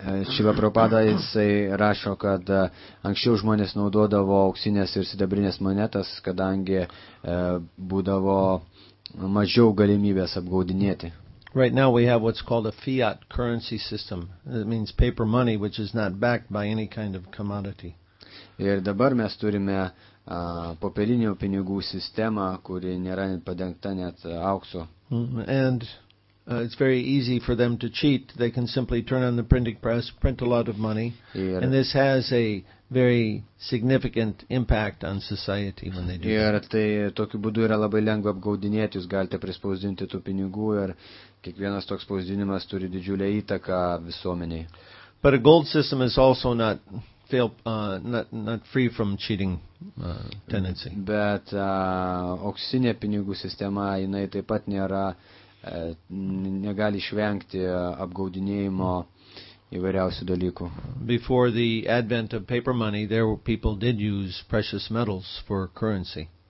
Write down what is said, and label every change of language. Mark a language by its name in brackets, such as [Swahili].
[Lithuanian] Šiva Prabhupada, jisai rašo, kad anksčiau žmonės naudodavo auksinės ir sidabrinės monetas, kadangi būdavo mažiau galimybės apgaudinėti. [English] Right now we have what's called a fiat currency system. It means paper money, which is not backed by any kind of commodity. [Lithuanian] Ir dabar mes turime popierinių pinigų sistemą, kuri nėra padengta net auksu. [English] And it's very easy for them to cheat. They can simply turn on the printing press, print a lot of money, and this has a very significant impact on society when they do. [Lithuanian] Ir tai tokiu būdu yra labai lengva apgaudinėti. Jūs galite prispausdinti tų pinigų, ir kiekvienas toks spausdinimas turi didžiulę įtaką visuomenei. [English] But a gold system is also not free from cheating tendency. [Lithuanian] Bet auksinė pinigų sistema, jinai taip pat nėra negali išvengti apgaudinėjimo įvairiausių dalykų. [English] Before the advent of paper money, there were people did use precious metals for currency.